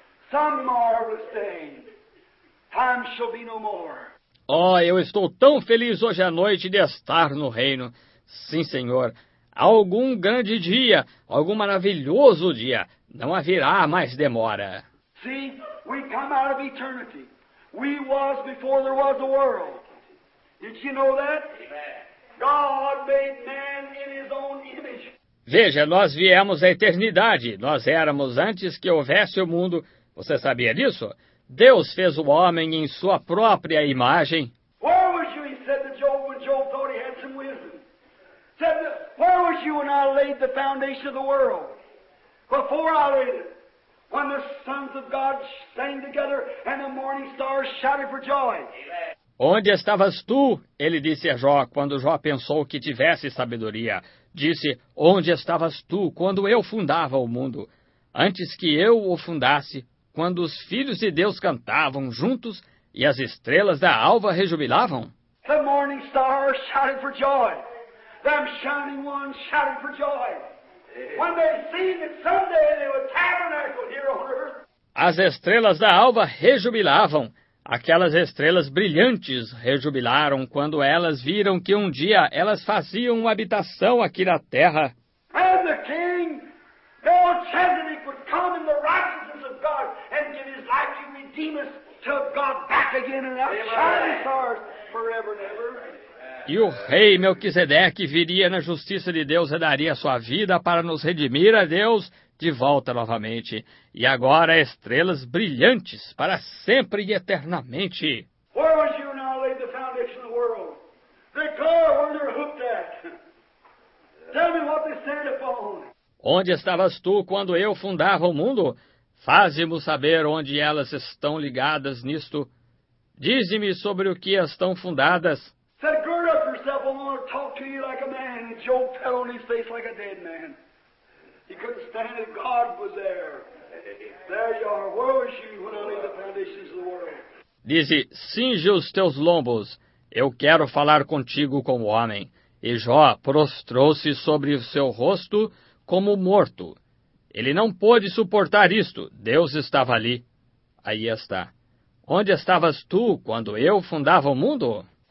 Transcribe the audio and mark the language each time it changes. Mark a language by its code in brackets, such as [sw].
[en] Some marvelous day. Time shall be no more. [pt] Oh, eu estou tão feliz hoje à noite de estar no reino. Sim, Senhor. Algum grande dia, algum maravilhoso dia, não haverá mais demora. [en] See, we come out of eternity. We was before there was a world. Did you know that? God made man in his own image. [pt] Veja, nós viemos da eternidade. Nós éramos antes que houvesse o mundo. Você sabia disso? Deus fez o homem em sua própria imagem. [en] Where was you, he said to Job, when Job thought he had some wisdom? Said, where was you when I laid the foundation of the world? Before I laid it, when the sons of God sang together and the morning stars shouted for joy. [pt] Onde estavas tu? Ele disse a Jó, quando Jó pensou que tivesse sabedoria. Disse, onde estavas tu quando eu fundava o mundo? Antes que eu o fundasse, quando os filhos de Deus cantavam juntos e as estrelas da alva rejubilavam. [en] The morning stars shouted for joy. Them shining ones shouted for joy. When they seen that someday they would tabernacle here on earth. [pt] As estrelas da alva rejubilavam. Aquelas estrelas brilhantes rejubilaram quando elas viram que um dia elas faziam uma habitação aqui na terra. [en] And the king, Melchizedek, would come in the righteousness of God and give his life to redeem us to God back again in our shining stars forever and ever. [pt] E o rei Melquisedeque viria na justiça de Deus e daria sua vida para nos redimir a Deus de volta novamente. E agora estrelas brilhantes para sempre e eternamente. [en] Where was you now laid the foundation of the world? The car where they're hooked at. Tell me what they stand upon. [pt] Onde estavas tu quando eu fundava o mundo? Faze-me saber onde elas estão ligadas nisto. Dize-me sobre o que estão fundadas. [en] Said, gird up yourself, I'm going to talk to you like a man. And Job fell on his face like a dead man. He couldn't stand it. God was there. There you are. Where was you when I laid the foundations of the world? [pt] Disse, cinge os teus lombos. Eu quero falar contigo como homem. E Jó prostrou-se sobre o seu rosto como morto. Ele não pôde suportar isto. Deus estava ali. Aí está. Onde estavas tu quando eu fundava o mundo?